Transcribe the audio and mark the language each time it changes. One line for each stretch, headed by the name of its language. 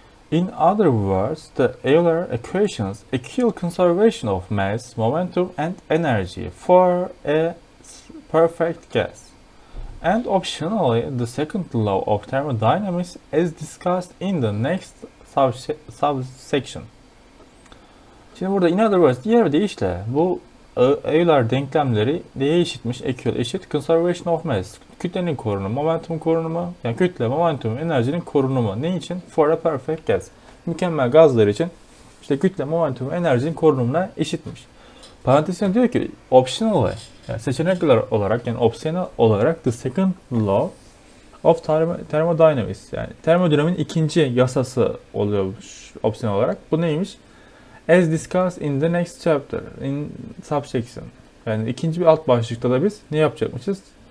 English: In other words, the Euler equations equal conservation of mass, momentum and energy for a perfect gas. And optionally, the second law of thermodynamics as discussed in the next subsection.
Turkish: Şimdi burada
English: in other words
Turkish: diğer bir deyişle bu Euler denklemleri neye eşitmiş?
English: Equal
Turkish: eşit
English: conservation of mass.
Turkish: Kütlenin korunumu, momentum korunumu. Yani kütle, momentum, enerjinin korunumu. Ne için?
English: For a perfect gas.
Turkish: Mükemmel gazlar için işte kütle, momentum, enerjinin korunumuna eşitmiş. Parantezine diyor ki optional yani seçenekler olarak yani opsiyonel olarak
English: the second law of thermodynamics
Turkish: yani termodinamiğin ikinci yasası oluyormuş opsiyonel olarak. Bu neymiş?
English: As discussed in the next chapter in subsection.
Turkish: Yani ikinci bir alt başlıkta da biz ne yapacakmışız?